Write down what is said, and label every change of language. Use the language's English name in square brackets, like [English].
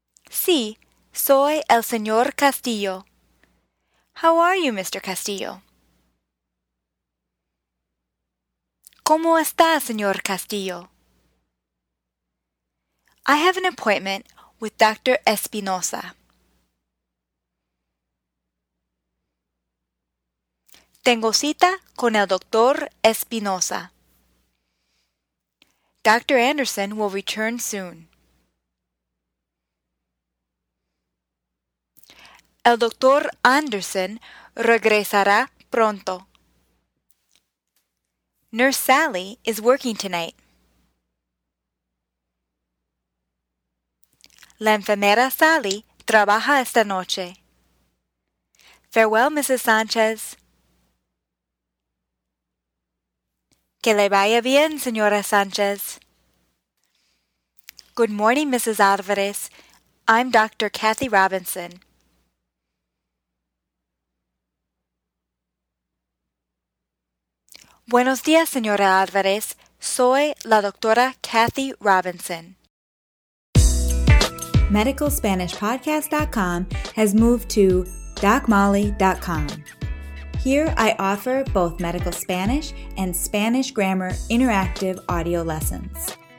[Spanish] Sí, soy el señor Castillo. [English] How are you, Mr. Castillo? [Spanish] ¿Cómo está, señor Castillo? [English] I have an appointment with Dr. Espinosa. [Spanish] Tengo cita con el doctor Espinosa. [English] Dr. Anderson will return soon. [Spanish] El doctor Anderson regresará pronto. [English] Nurse Sally is working tonight. [Spanish] La enfermera Sally trabaja esta noche. [English] Farewell, Mrs. Sánchez. [Spanish] Que le vaya bien, señora Sánchez. [English] Good morning, Mrs. Alvarez. I'm Dr. Kathy Robinson. [Spanish] Buenos días, señora Álvarez. Soy la doctora Kathy Robinson. [English] MedicalSpanishPodcast.com has moved to DocMolly.com. Here I offer both Medical Spanish and Spanish Grammar interactive audio lessons.